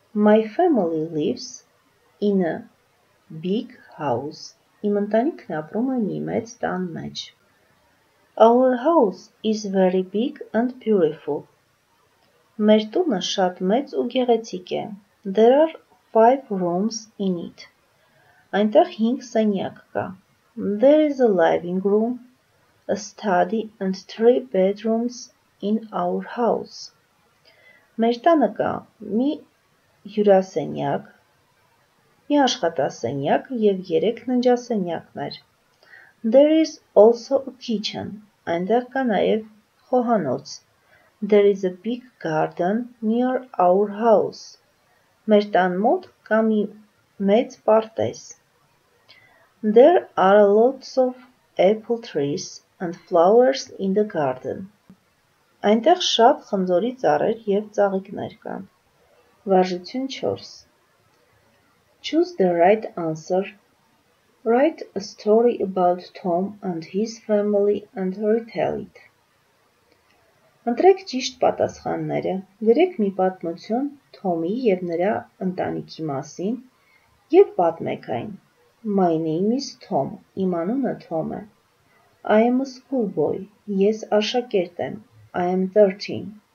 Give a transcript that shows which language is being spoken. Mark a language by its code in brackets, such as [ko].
[en] My family lives in a big house. [hy] Իմ ընտանիքն ապրում է մի մեծ տան մեջ։ [en] Our house is very big and beautiful. [hy] Մեր տունը շատ մեծ ու գեղեցիկ է. [en] There are 5 rooms in it. [hy] Այնտեղ 5 սենյակ կա. [en] There is a living room, a study and 3 bedrooms in our house. [hy] Մեր տանը կա մի հյուրասենյակ, մի աշխատասենյակ և 3 ննջասենյակներ. [en] There is also a kitchen. [hy] Այնտեղ կա նաև խոհանոց. [en] There is a big garden near our house. [hy] Մեր տան մոտ կա մի մեծ պարտեզ. [en] There are lots of apple trees and flowers in the garden. [hy] Այնտեղ շատ խնձորի ծառեր և ծաղիկներ կան. Վարժություն 4. [en] Choose the right answer. Write a story about Tom and his family and retell it. [hy] Ընտրեք ճիշտ պատասխանները, գրեք մի պատմություն Թոմի և նրա ընտանիքի մասին և պատմեք այն. [en] My name is Tom, [hy] իմ անունը Թոմ է. [en] I am a schoolboy, [hy] ես աշակերտ եմ, [en] I am 13.